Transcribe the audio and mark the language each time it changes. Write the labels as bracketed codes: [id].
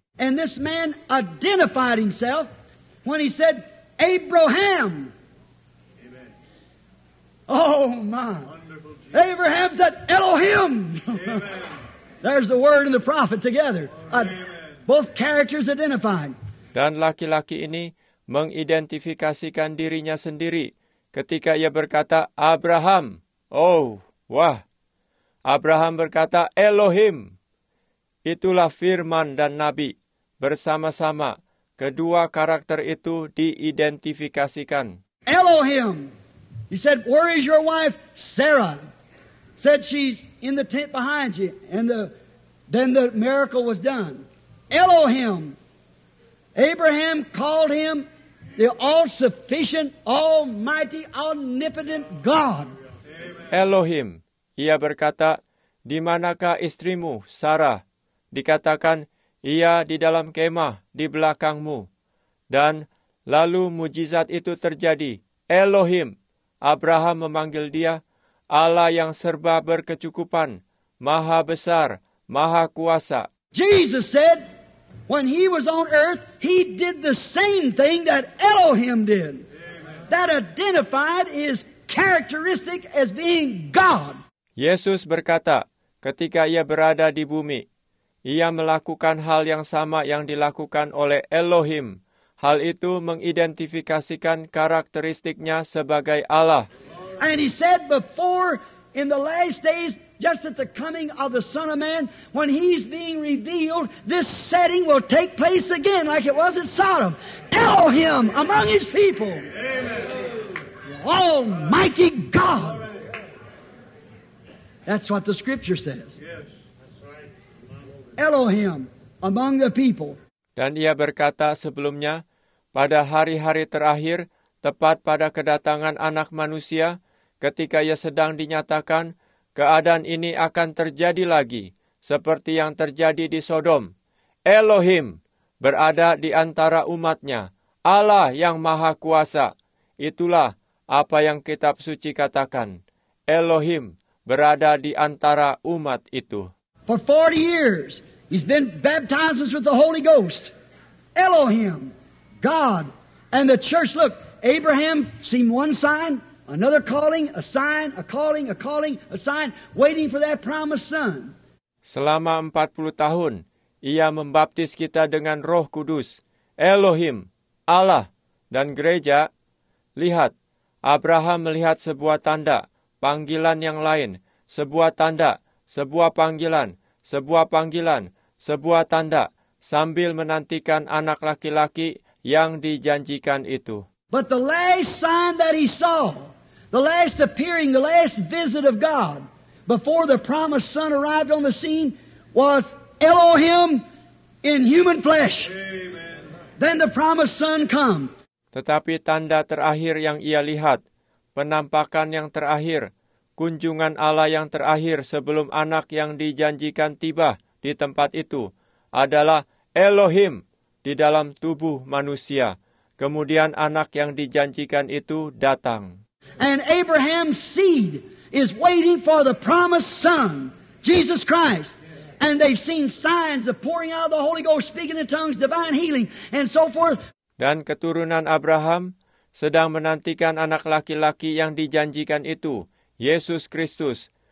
[en] And this man identified himself when he said, Abraham. Amen. Oh my. Abraham said, Elohim. Amen. There's the word and the prophet together. Both characters identified. [id] Dan laki-laki ini mengidentifikasikan dirinya sendiri ketika ia berkata, Abraham. Oh, wah. Abraham berkata, Elohim. Itulah firman dan nabi. Bersama-sama, kedua karakter itu diidentifikasikan. Elohim. [en] He said, where is your wife, Sarah? Said, she's in the tent behind you. And then the miracle was done. Elohim. Abraham called him the all-sufficient, almighty, omnipotent God. Amen. [id] Elohim. Ia berkata, di manakah istrimu, Sarah? Dikatakan, ia di dalam kemah, di belakangmu. Dan lalu mujizat itu terjadi. Elohim. Abraham memanggil dia, Allah yang serba berkecukupan, maha besar, maha kuasa. [en] Jesus said, when he was on earth, he did the same thing that Elohim did. Amen. That identified is characteristic as being God. [id] Yesus berkata, ketika ia berada di bumi, ia melakukan hal yang sama yang dilakukan oleh Elohim. Hal itu mengidentifikasikan karakteristiknya sebagai Allah. [en] And he said before, in the last days, just at the coming of the Son of Man, when he's being revealed, this setting will take place again like it was in Sodom. Elohim among his people. Amen. Almighty God. That's what the scripture says. Yes, that's right. Elohim among the people. [id] Dan ia berkata sebelumnya, pada hari-hari terakhir, tepat pada kedatangan Anak Manusia, ketika ia sedang dinyatakan, keadaan ini akan terjadi lagi, seperti yang terjadi di Sodom. Elohim berada di antara umatnya, Allah yang Maha Kuasa. Itulah apa yang Kitab Suci katakan. Elohim berada di antara umat itu. [en] For 40 years, he's been baptized with the Holy Ghost. Elohim, God, and the church. Look, Abraham seemed one sign. Another calling, a sign, a calling, a sign, waiting for that promised son. [id] Selama 40 tahun, ia membaptis kita dengan Roh Kudus. Elohim, Allah, dan gereja, lihat, Abraham melihat sebuah tanda, panggilan yang lain, sebuah tanda, sebuah panggilan, sebuah panggilan, sebuah tanda, sambil menantikan anak laki-laki yang dijanjikan itu. [en] But the last sign that he saw, the last appearing, the last visit of God, before the promised son arrived on the scene, was Elohim in human flesh. Amen. Then the promised son come. [id] Tetapi tanda terakhir yang ia lihat, penampakan yang terakhir, kunjungan Allah yang terakhir sebelum anak yang dijanjikan tiba di tempat itu, adalah Elohim di dalam tubuh manusia. Kemudian anak yang dijanjikan itu datang. [en] And Abraham's seed is waiting for the promised son, Jesus Christ. And they've seen signs of pouring out of the Holy Ghost, speaking in tongues, divine healing, and so forth. [id] Dan keturunan Abraham sedang menantikan anak laki-laki yang dijanjikan itu, Yesus Kristus.